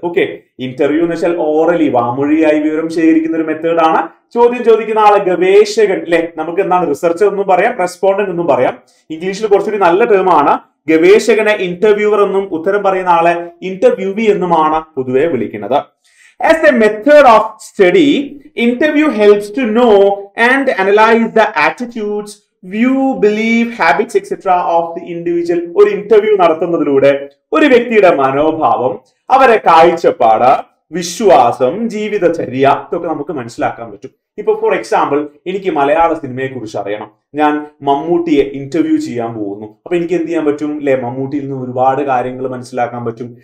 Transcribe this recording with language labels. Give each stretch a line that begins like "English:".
Malayalam: Okay, interview എന്ന് വെച്ചാൽ orally, വാമൊഴിയായി വിവരം ശേഖരിക്കുന്ന ഒരു മെത്തേഡാണ്. ചോദ്യം ചോദിക്കുന്ന ആളെ ഗവേഷകൻ അല്ലെ, നമുക്ക് എന്താണ് റിസർച്ചർ എന്നും പറയാം, റെസ്പോണ്ടന്റ് എന്നും പറയാം. ഇംഗ്ലീഷിൽ കുറച്ചൊരു നല്ല ടേമാണ് ഗവേഷകനെ ഇന്റർവ്യൂവർ എന്നും ഉത്തരം പറയുന്ന ആളെ ഇന്റർവ്യൂവി എന്നുമാണ് പൊതുവെ വിളിക്കുന്നത്.
English: As a method of study, interview helps to know and analyze the attitudes, view, belief, habits, etc. of the individual.
Malayalam: ഒരു ഇന്റർവ്യൂ നടത്തുന്നതിലൂടെ ഒരു വ്യക്തിയുടെ മനോഭാവം, അവരെ കാഴ്ചപ്പാട്, വിശ്വാസം, ജീവിതചര്യ ഇതൊക്കെ നമുക്ക് മനസ്സിലാക്കാൻ പറ്റും. ഇപ്പൊ ഫോർ എക്സാമ്പിൾ, എനിക്ക് മലയാള സിനിമയെ കുറിച്ച് അറിയണം, ഞാൻ മമ്മൂട്ടിയെ ഇന്റർവ്യൂ ചെയ്യാൻ പോകുന്നു, അപ്പൊ എനിക്ക് എന്ത് ചെയ്യാൻ പറ്റും അല്ലെ, മമ്മൂട്ടിയിൽ നിന്ന് ഒരുപാട് കാര്യങ്ങൾ മനസ്സിലാക്കാൻ പറ്റും.